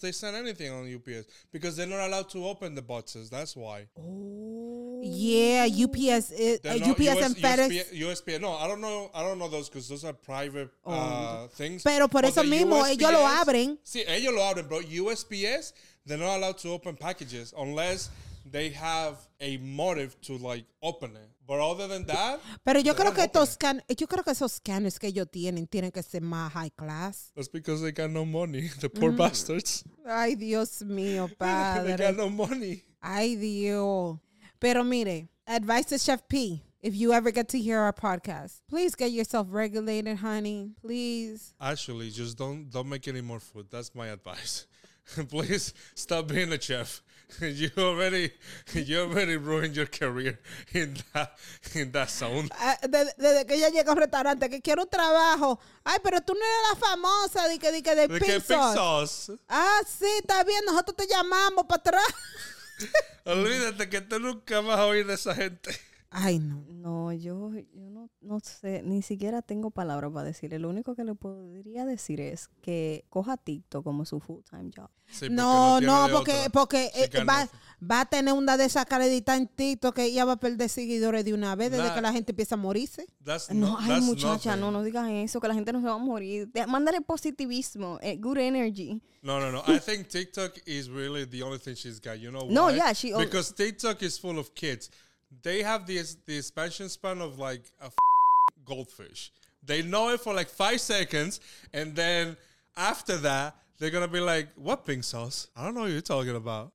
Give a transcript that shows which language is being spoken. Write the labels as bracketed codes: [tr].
[en] They send anything on UPS because they're not allowed to open the boxes. That's why. Oh. Yeah, UPS, UPS US, and FedEx. USPS, no, I don't know those because those are private things. [es] Pero por eso mismo, USPS, ellos lo abren. Sí, ellos lo abren, pero [en] USPS, they're not allowed to open packages unless they have a motive to, like, open it. But other than that, [es] pero yo creo que estos scan, yo creo que esos scanners que ellos tienen que ser más [en] high class. That's because they got no money, the poor bastards. [es] Ay, Dios mío, padre. [en] They got no money. [es] Ay, Dios. Pero mire, [en] advice to Chef P, if you ever get to hear our podcast, please get yourself regulated, honey. Please. Actually, just don't make any more food. That's my advice. Please stop being a chef. You already ruined your career in that zone. [es] Desde que ella llega al restaurante, que quiero un trabajo. Ay, pero tú no eres la famosa de pizzas. Ah, sí, está bien. Nosotros te llamamos para atrás. Olvídate que tú nunca vas a oír de esa gente. Ay, no. No, yo no sé, ni siquiera tengo palabras para decirle. Lo único que le podría decir es que coja TikTok como su full-time job. Sí, porque va a tener una de esas caleditas en TikTok que ella va a perder seguidores de una vez desde que la gente empieza a morirse. No, digan eso, que la gente no se va a morir. Mándale positivismo, [en] good energy. [es] No. [en] I think TikTok is really the only thing she's got. You know why? No, yeah. She Because TikTok is full of kids. They have the expansion span of like a goldfish. They know it for like 5 seconds, and then after that, they're going to be like, what pink sauce? I don't know what you're talking about.